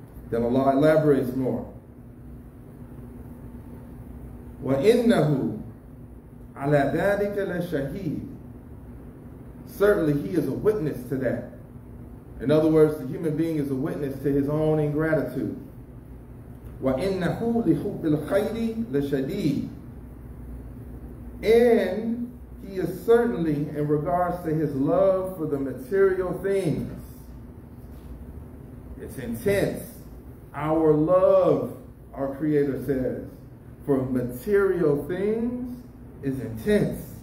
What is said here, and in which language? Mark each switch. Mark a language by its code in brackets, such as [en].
[en] Then Allah elaborates more. [ar] وَإِنَّهُ عَلَى ذَلِكَ لَشَهِيدٌ. [en] Certainly he is a witness to that. In other words, the human being is a witness to his own ingratitude. [ar] وَإِنَّهُ لِحُبِّ الْخَيْرِ لَشَدِيدٌ. [en] And he is certainly in regards to his love for the material things. It's intense. Our love, our Creator says, for material things is intense.